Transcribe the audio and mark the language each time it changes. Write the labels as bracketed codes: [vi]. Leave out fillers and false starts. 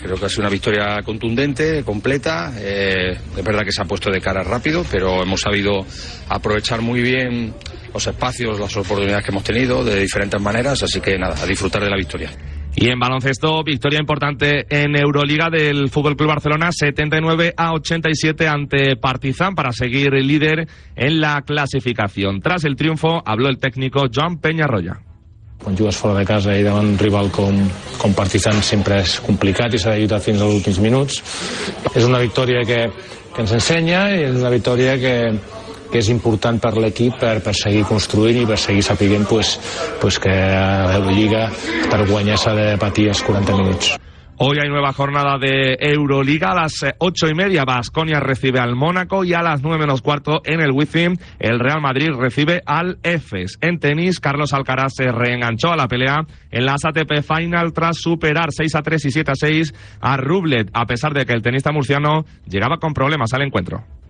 [es] Creo que ha sido una victoria contundente, completa. Es verdad que se ha puesto de cara rápido, pero hemos sabido aprovechar muy bien los espacios, las oportunidades que hemos tenido de diferentes maneras. Así que nada, a disfrutar de la victoria. Y en baloncesto, victoria importante en Euroliga del FC Barcelona, 79-87 ante Partizan para seguir el líder en la clasificación. Tras el triunfo, habló el técnico Joan Peñarroya. [ca] Quan jugues fora de casa i davant un rival com Partizan sempre és complicat i s'ha de lluitar fins als últims minuts. És una victòria que ens ensenya i és una victòria que és important per l'equip per seguir construint i per seguir sapiguent pues que a l'Euroliga per guanyar s'ha de patir els 40 minuts. [es] Hoy hay nueva jornada de Euroliga. A las 8:30 Baskonia recibe al Mónaco y a las 9:45 en el Wizzing el Real Madrid recibe al Efes. En tenis, Carlos Alcaraz se reenganchó a la pelea en las ATP Final tras superar 6-3 y 7-6 a Rublev, a pesar de que el tenista murciano llegaba con problemas al encuentro.